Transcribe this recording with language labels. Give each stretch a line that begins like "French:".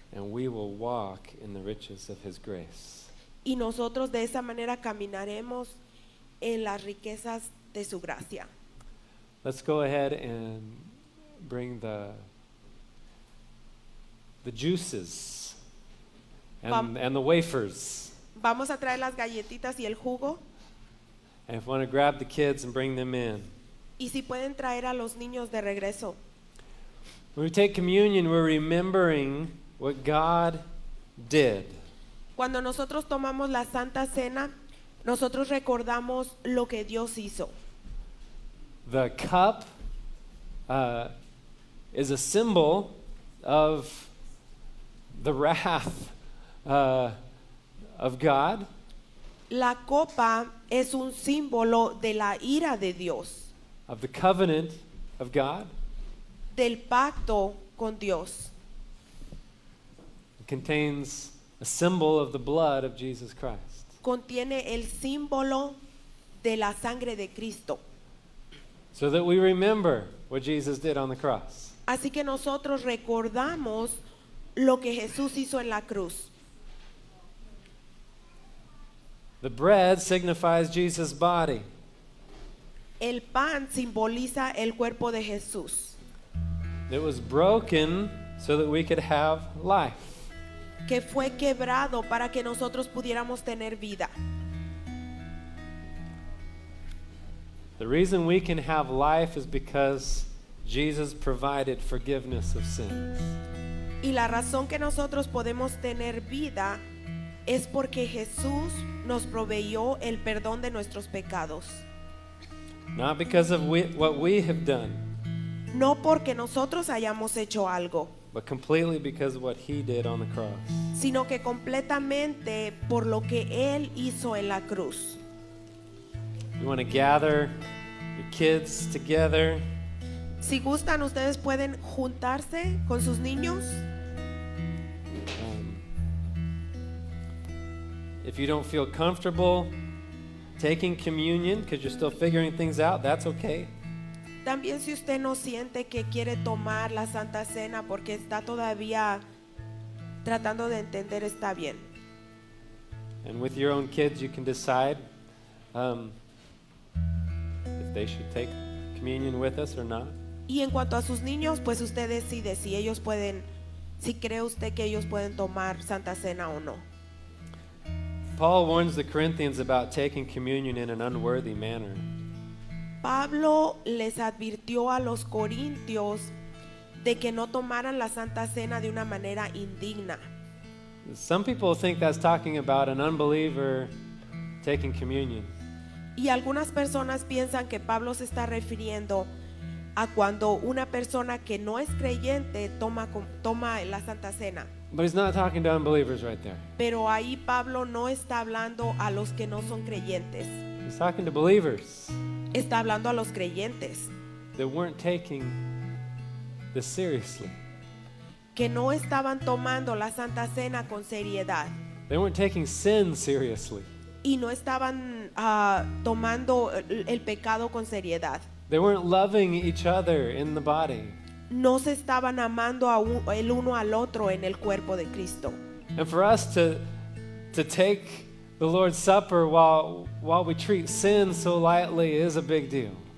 English: And we will walk in the riches of his grace.
Spanish: Y nosotros de esa manera caminaremos en las riquezas de su gracia.
English: Let's go ahead and bring the juices and the wafers.
Spanish: Vamos a traer las galletitas y el jugo.
English: And if you want to grab the kids and bring them in.
Spanish: Y si pueden traer a los niños de regreso.
English: When we take communion, we're remembering what God did.
Spanish: Cuando nosotros tomamos la Santa Cena, nosotros recordamos lo que Dios hizo.
English: The cup is a symbol of the wrath of God.
Spanish: La copa es un símbolo de la ira de Dios.
English: Of the covenant of God.
Spanish: Del pacto con Dios.
English: It contains a symbol of the blood of Jesus Christ.
Spanish: contiene el símbolo de la sangre de Cristo.
English: So that we remember what Jesus did on the cross.
Spanish: Así que nosotros recordamos lo que Jesús hizo en la cruz.
English: The bread signifies Jesus' body.
Spanish: El pan simboliza el cuerpo de Jesús.
English: It was broken so that we could have life.
Spanish: Que fue quebrado para que nosotros pudiéramos tener vida.
English: The reason we can have life is because Jesus provided forgiveness of sins.
Spanish: Y la razón que nosotros podemos tener vida es porque Jesús nos proveyó el perdón de nuestros pecados.
English: Not because of what we have done.
Spanish: No porque nosotros hayamos hecho algo.
English: But completely because of what he did on the cross.
Spanish: Sino que completamente por lo que él hizo en la cruz.
English: You want to gather your kids together.
Spanish: Si gustan, ustedes pueden juntarse con sus niños.
English: If you don't feel comfortable taking communion because you're still figuring things out, that's okay.
Spanish: También si usted no siente que quiere tomar la Santa Cena porque está todavía tratando de entender, está bien.
English: And with your own kids, you can decide if they should take communion with us or not.
Spanish: Y en cuanto a sus niños, pues usted decide si ellos pueden, si cree usted que ellos pueden tomar Santa Cena o no.
English: Paul warns the Corinthians about taking communion in an unworthy manner.
Spanish: Pablo les advirtió a los corintios de que no tomaran la Santa Cena de una manera indigna.
English: Some people think that's talking about an unbeliever taking communion.
Spanish: Y algunas personas piensan que Pablo se está refiriendo a cuando una persona que no es creyente toma la Santa Cena.
English: But he's not talking to unbelievers right there.
Spanish: Pero ahí Pablo no está hablando a los que no son creyentes.
English: He's talking to believers.
Spanish: Está hablando a los creyentes.
English: They weren't taking this seriously.
Spanish: Que no estaban tomando la Santa Cena con seriedad.
English: They weren't taking sin seriously.
Spanish: Y no estaban tomando el pecado con seriedad.
English: They weren't loving each other in the body.
Spanish: No se estaban amando el uno al otro en el cuerpo de Cristo.
English: And for us to take the Lord's Supper while we treat sin so lightly is a big deal.